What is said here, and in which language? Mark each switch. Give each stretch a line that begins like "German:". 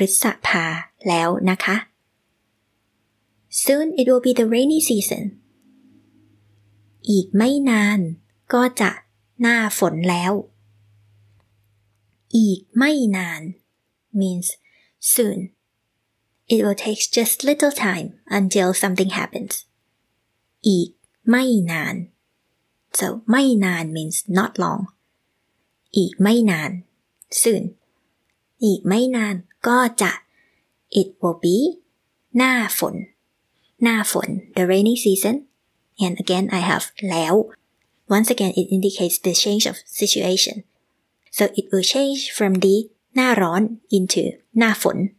Thai: ตอนนี้ก็เดือนพฤษภาแล้วนะคะ.
English: Soon it will be the rainy season.
Thai: อีกไม่นานก็จะหน้าฝนแล้ว.
English: อีกไม่นาน means soon. It will take just little time until something happens.
Thai: อีกไม่นาน.
English: So, 没นาน means not long.
Thai: อีกไม่นาน.
English: Soon.
Thai: อีกไม่นานก็จะ.
English: It will be
Thai: หน้าฝน.หน้าฝน,
English: the rainy season. And again, I have แล้ว. Once again, it indicates the change of situation. So it will change from the หน้าร้อน into หน้าฝน.